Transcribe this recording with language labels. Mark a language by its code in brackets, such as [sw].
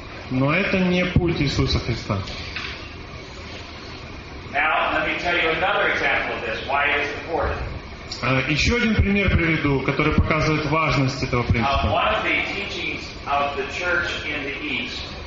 [ru] Но это не путь Иисуса Христа. [en] Now, let me tell you another example of this. Why is it important? [ru] Еще один пример приведу, который показывает важность этого принципа. [en] One of the teachings of the church in the East.